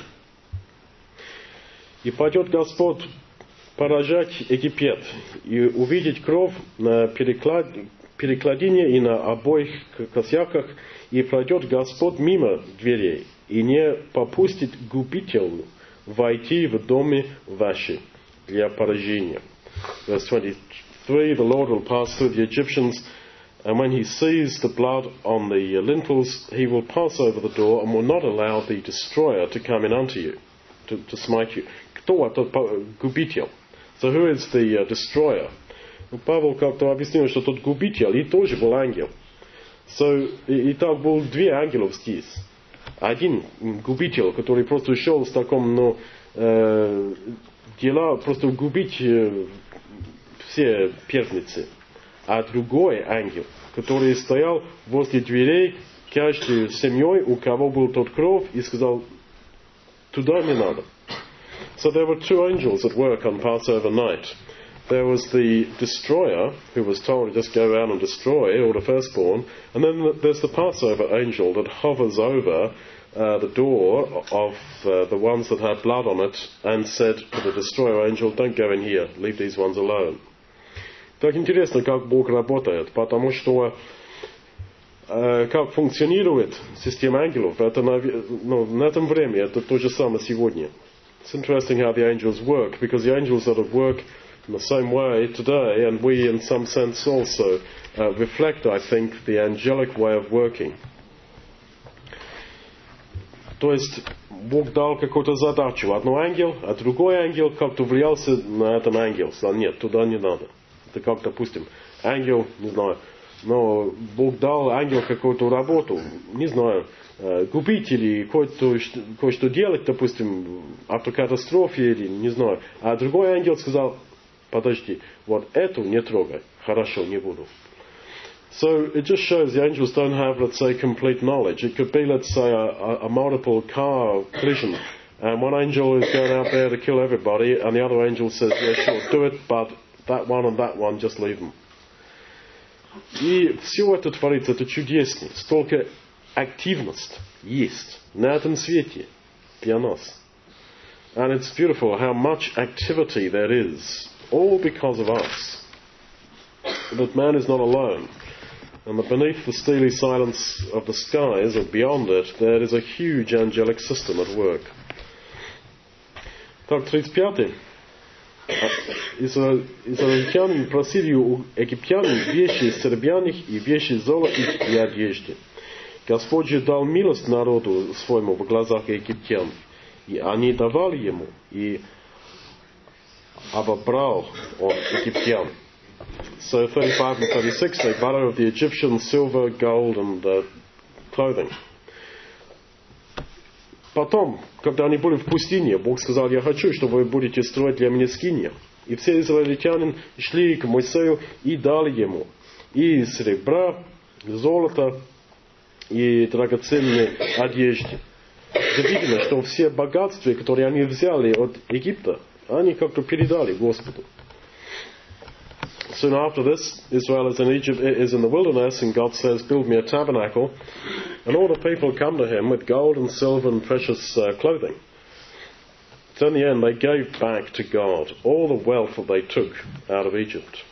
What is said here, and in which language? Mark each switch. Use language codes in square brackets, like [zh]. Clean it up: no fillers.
[ru] 23, [en] verse 23. [ru] И пойдет Господь поражать Египет и увидеть кровь на перекладине и на обоих косяках, и пройдет Господь мимо дверей, и не попустит губителю войти в доме ваши для поражения. [en] Verse 23, the Lord will pass through the Egyptians, and when he sees the blood on the lintels, he will pass over the door and will not allow the destroyer to come in unto you, to smite you. [ru] Кто это губитель? [en] So who is the destroyer? [ru] Павел как-то объяснил, что тот губитель, и тоже был ангел. So, и так был две ангелов здесь. Один губитель, который просто шел с таком, ну, дела просто губить все первницы. А другой ангел, который стоял возле дверей, каждой семьей, у кого был тот кровь, и сказал, туда не надо. [en] So there were two angels at work on Passover night. There was the destroyer, who was told to just go around and destroy all the firstborn, and then there's the Passover angel that hovers over the door of the ones that had blood on it and said to the destroyer angel, don't go in here, leave these ones alone. [ru] Так интересно, как Бог работает, потому что как функционирует система ангелов, это, ну, на этом время, это то же самое сегодня. [en] It's interesting how the angels work, because the angels that have worked In the same way today, and we in some sense also reflect, I think, the angelic way of working. [ru] То есть Бог дал какую-то задачу, одну ангел, а другой ангел как-то влиялся на этот ангел. Сказал, нет, туда не надо. Это как, допустим, ангел, не знаю, но Бог дал ангелу какую-то работу, не знаю, купить или кое-что делать, допустим, автокатастрофе или не знаю. А другой ангел сказал, подожди, вот эту не трогай, хорошо, не буду. [en] So it just shows the angels don't have, let's say, complete knowledge. It could be, let's say, a multiple car collision. And one angel is going out there to kill everybody, and the other angel says, yeah, sure, do it, but that one and that one, just leave them. [ru] И все это творится, это чудесно. Столько активность есть на этом свете для нас. [en] And it's beautiful how much activity there is, all because of us. That man is not alone. And that beneath the steely silence of the skies, or beyond it, there is a huge angelic system at work. [ru] Так, 35-й. Израильтян просили у египтян вещи сербяных и вещи золотых и одежды. Господь же дал милость народу своему в глазах египтян, и они давали ему, и обобрал он египтян. [en] So 35 and 36, they borrow of the Egyptian silver, gold, and clothing. [ru] Потом, когда они были в пустыне, Бог сказал, я хочу, чтобы вы будете строить для меня скинию. И все израильтяне шли к Моисею и дали ему и серебра, и золото, и драгоценные одежды. Видно, что все богатства, которые они взяли от Египта, они как-то передали Господу. [en] Soon after this, Israel is in Egypt, is in the wilderness, and God says, build me a tabernacle. And all the people come to him with gold and silver and precious clothing. So in the end, they gave back to God all the wealth that they took out of Egypt.